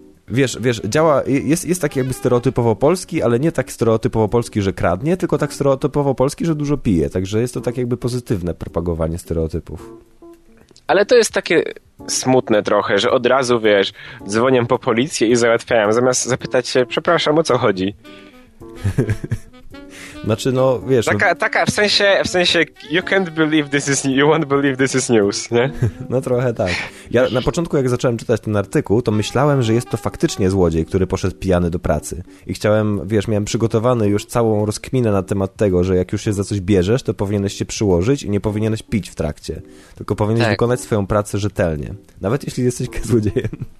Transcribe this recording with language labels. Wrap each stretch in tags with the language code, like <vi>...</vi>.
<pl>Wiesz, działa, jest tak jakby stereotypowo polski, ale nie tak stereotypowo polski, że kradnie, tylko tak stereotypowo polski, że dużo pije. Także jest to tak jakby pozytywne propagowanie stereotypów. Ale to jest takie smutne trochę, że od razu, wiesz, dzwonię po policję i załatwiają, zamiast zapytać się, przepraszam, o co chodzi? Znaczy, no, wiesz...</pl> <en>Taka w sensie, you can't believe this is, you won't believe this is news, nie?</en> <pl>No trochę tak. Ja na początku, jak zacząłem czytać ten artykuł, to myślałem, że jest to faktycznie złodziej, który poszedł pijany do pracy. I chciałem, wiesz, miałem przygotowany już całą rozkminę na temat tego, że jak już się za coś bierzesz, to powinieneś się przyłożyć i nie powinieneś pić w trakcie. Tylko powinieneś wykonać swoją pracę rzetelnie. Nawet jeśli jesteś złodziejem.</pl>